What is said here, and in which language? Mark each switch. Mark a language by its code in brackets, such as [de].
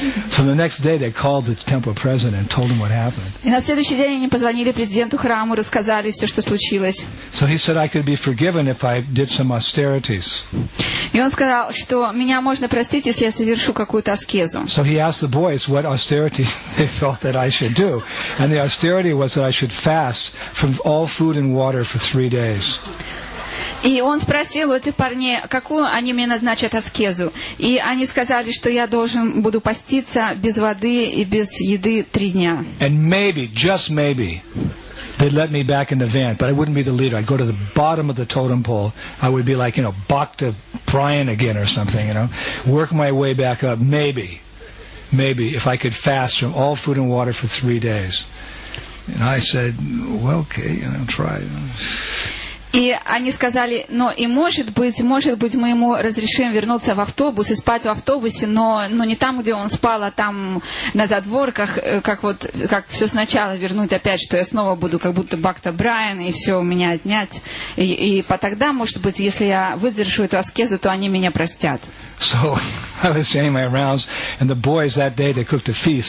[en] So the next day they called the temple president and told him what happened. [ru] И на следующий день они позвонили президенту храма, рассказали все, что случилось. [en] So he said I could be forgiven if I did some austerities. [ru] И он сказал, что меня можно простить, если я совершу какую-то аскезу. [en] So he asked the boys what austerity they felt that I should do, and the austerity was that I should fast from all food and water for 3 days. [ru] И он спросил у этих парней, какую они мне назначат аскезу. И они сказали, что я должен буду поститься без воды и без еды 3 дня. [en] And maybe, just maybe, they'd let me back in the van, but I wouldn't be the leader. I'd go to the bottom of the totem pole. I would be like, you know, Bhakta Brian again or something, you know. Work my way back up, maybe, maybe, if I could fast from all food and water for 3 days. And I said, well, okay, you know, try. [ru] И они сказали, ну и может быть, мы ему разрешим вернуться в автобус и спать в автобусе, но не там, где он спал, а там на задворках, как вот, как все сначала вернуть опять, что я снова буду как будто Бхакта Брайан, и все у меня отнять. И по тогда, может быть, если я выдержу эту аскезу, то они меня простят. [en] So, I was doing my rounds, and the boys that day, they cooked a feast.